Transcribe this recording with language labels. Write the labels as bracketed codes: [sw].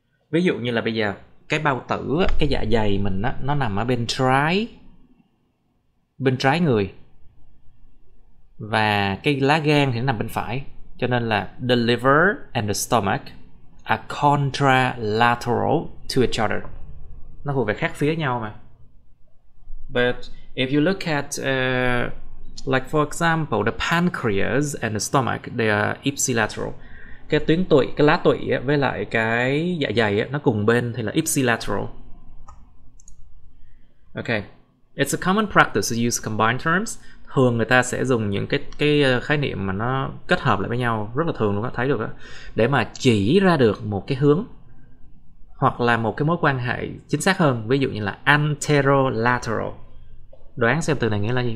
[vi] Ví dụ như là bây giờ cái bao tử, cái dạ dày mình á, nó nằm ở bên trái, bên trái người, và cái lá gan thì nó nằm bên phải, cho nên là [en] the liver and the stomach are contralateral to each other. [vi] Nó thuộc về khác phía nhau mà. [en] But if you look at Like for example, the pancreas and the stomach, they are ipsilateral. [vi] Cái tuyến tụy, cái lá tụy ấy, với lại cái dạ dày ấy, nó cùng bên thì là ipsilateral. [en] Okay. It's a common practice to use combined terms. [vi] Thường người ta sẽ dùng những cái khái niệm mà nó kết hợp lại với nhau rất là thường luôn, các thấy được đó, để mà chỉ ra được một cái hướng hoặc là một cái mối quan hệ chính xác hơn, ví dụ như là anterolateral. Đoán xem từ này nghĩa là gì?